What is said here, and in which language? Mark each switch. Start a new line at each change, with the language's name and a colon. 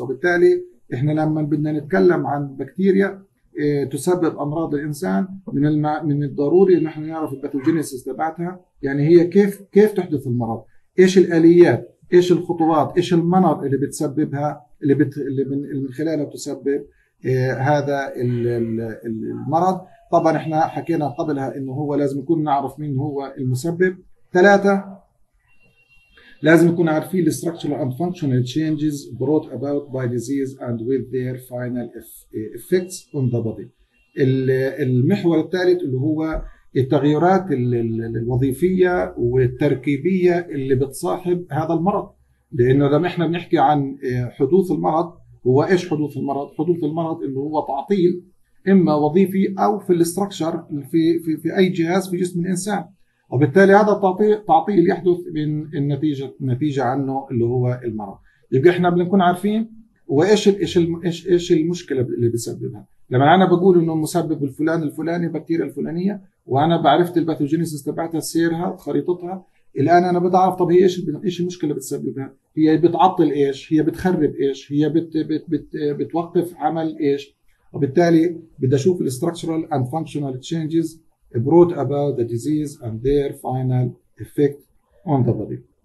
Arabic: وبالتالي إحنا لما بدنا نتكلم عن بكتيريا تسبب أمراض الإنسان من الضروري إن إحنا نعرف الباثوجينيسيس تبعتها، يعني هي كيف تحدث المرض، إيش الآليات، إيش الخطوات، إيش المنر اللي بتسببها، اللي من خلاله تسبب هذا المرض. طبعا إحنا حكينا قبلها إنه هو لازم يكون نعرف مين هو المسبب. ثلاثة، لازم يكون عارفين
English: the structural and functional changes brought about by disease and with their final effects on the body.
Arabic: المحور الثالث اللي هو التغيرات الوظيفية والتركيبية اللي بتصاحب هذا المرض، لأنه لما إحنا بنحكي عن حدوث المرض، هو إيش حدوث المرض؟ حدوث المرض اللي هو تعطيل إما وظيفي أو في structure في أي جهاز في جسم الإنسان، وبالتالي هذا التعطيل يحدث من النتيجة عنه اللي هو المرض. يبقى احنا بنكون عارفين وايش المشكلة اللي بسببها. لما انا بقول انه المسبب الفلان الفلاني بكتيريا الفلانية، وانا بعرفت الباثوجينيسيس تبعتها سيرها خريطتها، الان انا بدي اعرف طب هي ايش المشكلة بتسببها، هي بتعطل ايش، هي بتخرب ايش، هي بتوقف عمل ايش. وبالتالي بدي اشوف
English: الاستراكشرال and functional changes brought about the disease and their final effect on the body.